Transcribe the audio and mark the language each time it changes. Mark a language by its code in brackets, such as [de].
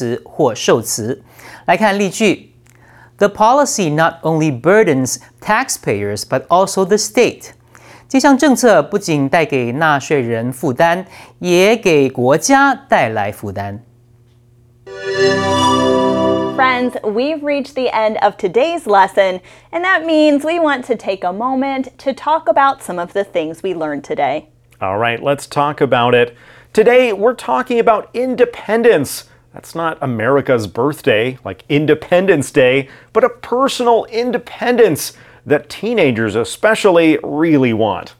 [zh] 动词或受词。来看例句, [en] The policy not only burdens taxpayers, but also the state. [zh] 这项政策不仅带给纳税人负担, 也给国家带来负担。 [en] Friends, we've reached the end of today's lesson, and that means we want to take a moment to talk about some of the things we learned today. All right, let's talk about it. Today, we're talking about independence. That's not America's birthday, like Independence Day, but a personal independence that teenagers especially really want.